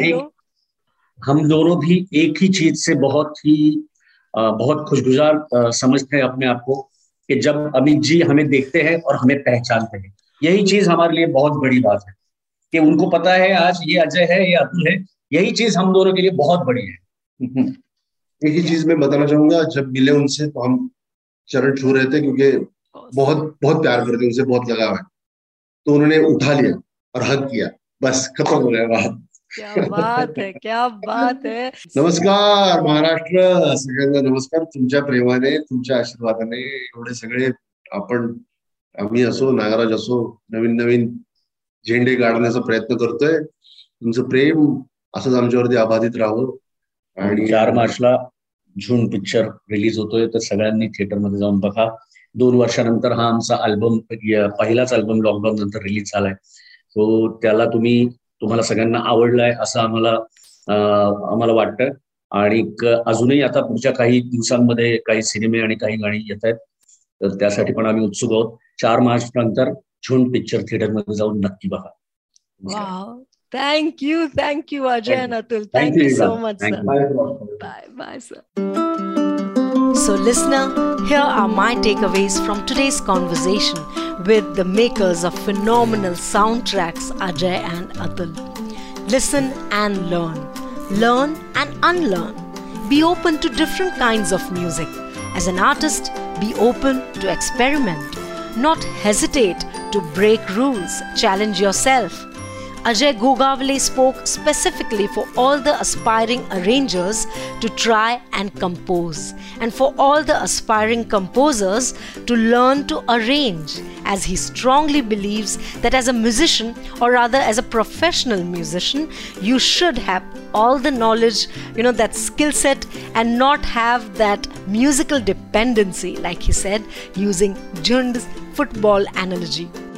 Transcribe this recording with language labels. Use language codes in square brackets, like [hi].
[hi] हम दोनों भी एक ही चीज से बहुत ही बहुत खुशगुजार समझते हैं अपने आप को, कि जब अमित जी हमें देखते हैं और हमें पहचानते हैं, यही चीज हमारे लिए बहुत बड़ी बात है कि उनको पता है आज ये अजय है, ये अतुल है, यही चीज हम दोनों के लिए बहुत बड़ी है। एक ही चीज मैं बताना चाहूंगा, जब मिले उनसे तो हम चरण छू रहे थे, क्योंकि बहुत बहुत प्यार करते हैं उनसे, बहुत लगाव है, तो उन्होंने उठा लिया और हग किया, बस खत्म हो गया बात। क्या बात है। [mr] नमस्कार महाराष्ट्र, सगळ्यांना नमस्कार, तुमच्या प्रेमाने तुमच्या आशीर्वादाने एवढे सगळे आपण आम्ही असो नागराज असो नवीन नवीन झेंडे गाडण्याचा प्रयत्न करतोय, तुमचं प्रेम असंच आमच्यावरती अबाधित राहो। आणि 4 मार्चला झून पिक्चर रिलीज होतोय, तर सगळ्यांनी थिएटरमध्ये जाऊन बघा। 2 वर्षानंतर हा आमचा अल्बम, पहिलाच अल्बम लॉकडाऊन नंतर रिलीज झालाय, तो त्याला तुम्ही तुम्हाला सगळ्यांना आवडलाय असं आम्हाला आम्हाला वाटतं। आणि अजूनही आता पुढच्या काही दिवसांमध्ये काही सिनेमे आणि काही गाणी येत आहेत, तर त्यासाठी पण आम्ही उत्सुक आहोत। 4 मार्चनंतर झून पिक्चर थिएटरमध्ये जाऊन नक्की बघा। [en] Thank you thank you Ajay अन Atul, thank you so much, bye bye sir. So listener, here are my takeaways from today's conversation with the makers of phenomenal soundtracks, Ajay and Atul. Listen and learn. Learn and unlearn. Be open to different kinds of music. As an artist, be open to experiment. not hesitate to break rules, challenge yourself. Ajay Gogavle spoke specifically for all the aspiring arrangers to try and compose, and for all the aspiring composers to learn to arrange, as he strongly believes that as a musician, or rather as a professional musician, you should have all the knowledge, you know, that skill set, and not have that musical dependency, like he said, using Jund's football analogy.